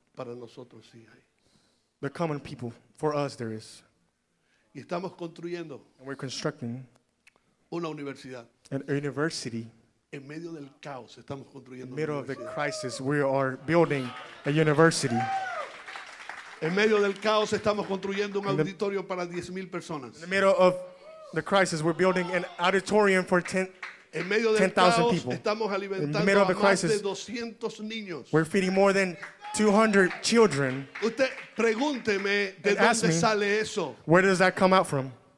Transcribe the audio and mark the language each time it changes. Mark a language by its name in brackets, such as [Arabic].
[Spanish] Para nosotros sí hay. [English] The common people. For us, there is. [Spanish] Y estamos construyendo. [English] And we're constructing. [Spanish] Una universidad. [English] An university. [Spanish] En medio del caos estamos construyendo. [English] In the middle of the crisis, we are building a university. [Spanish] En medio del caos estamos construyendo un auditorio para 10,000 personas. [English] In the middle of the crisis, we're building an auditorium for 10,000 people. [Spanish] Estamos alimentando. [English] In the middle of the crisis, [Spanish] más de 200 niños. [English] We're feeding more than 200 children. [Spanish] Usted pregúnteme de dónde sale eso. [English] Where does that come out from?